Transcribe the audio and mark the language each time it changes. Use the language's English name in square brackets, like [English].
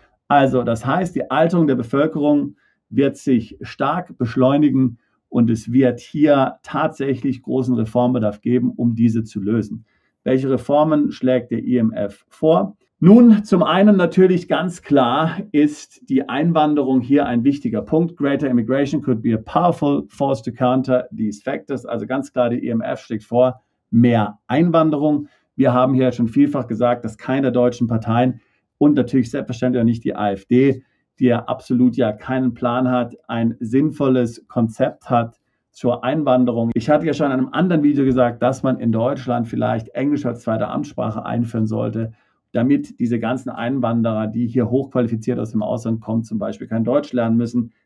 [German] Also das heißt, die Alterung der Bevölkerung wird sich stark beschleunigen und es wird hier tatsächlich großen Reformbedarf geben, um diese zu lösen. Welche Reformen schlägt der IMF vor? Nun, zum einen natürlich ganz klar ist die Einwanderung hier ein wichtiger Punkt. [English] Greater immigration could be a powerful force to counter these factors. [German] Also ganz klar, der IMF schlägt vor, mehr Einwanderung. Wir haben hier schon vielfach gesagt, dass keine deutschen Parteien und natürlich selbstverständlich auch nicht die AfD, die ja absolut ja keinen Plan hat, ein sinnvolles Konzept hat zur Einwanderung. Ich hatte ja schon in einem anderen Video gesagt, dass man in Deutschland vielleicht Englisch als zweite Amtssprache einführen sollte, damit diese ganzen Einwanderer, die hier hochqualifiziert aus dem Ausland kommen, zum Beispiel kein Deutsch lernen müssen.